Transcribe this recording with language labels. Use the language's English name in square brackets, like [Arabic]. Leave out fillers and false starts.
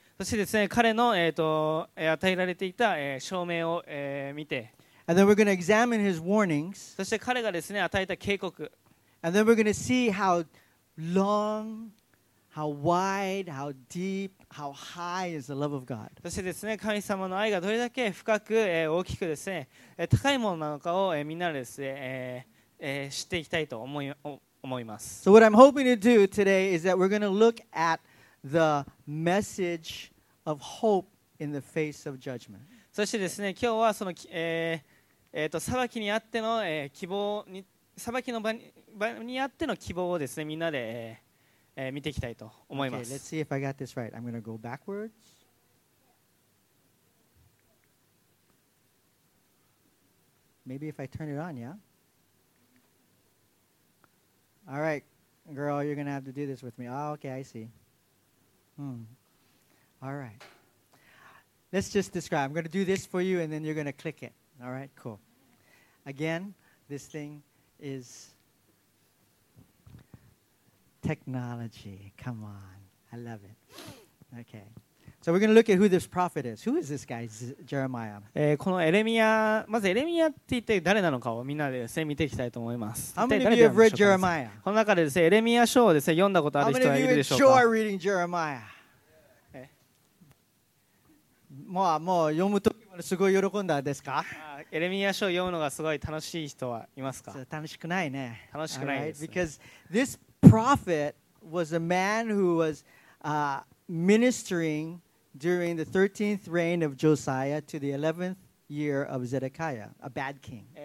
[Japanese] そしてですね、彼の、与えられていた、証明を、見て、 [English] And then we're going to examine his warnings. [Japanese] そして彼がですね、与えた警告、 [English] And then we're going to see how long, how wide, how deep, how high is the love of God. [Japanese] そしてですね、神様の愛がどれだけ深く、大きくですね、高いものなのかを、みんなですね、知っていきたいと思います。 [English] So what I'm hoping to do today is that we're going to look atThe message of hope in the face of judgment. [Japanese] そしてですね、今日はその、裁きにあっての、希望に、裁きの場にあっての希望をですね、みんなで、見ていきたいと思います。 [English] Okay, let's see if I got this right. I'm going to go backwards. Maybe if I turn it on, yeah? All right, girl, you're going to have to do this with me. Oh, okay, I see. All right. Let's just describe. I'm going to do this for you, and then you're going to click it. All right, cool. Again, this thing is technology. Come on. I love it. Okay. So we're going to look at who this prophet is. Who is this guy, Jeremiah? [Japanese] このエレミア、まずエレミアって一体誰なのかをみんなで見ていきたいと思います。 [English] How many of you have read Jeremiah? [Japanese] この中でですね、エレミア書をですね、読んだことある人はいるでしょうか? [English] How many of you enjoy reading Jeremiah? [Japanese] もう、もう読むときまですごい喜んだんですか? エレミア書を読むのがすごい楽しい人はいますか? 楽しくないね。楽しくないです。 [English] Because this prophet was a man who was, ministering during the 13th reign of Josiah to the 11th year of Zedekiah, a bad king.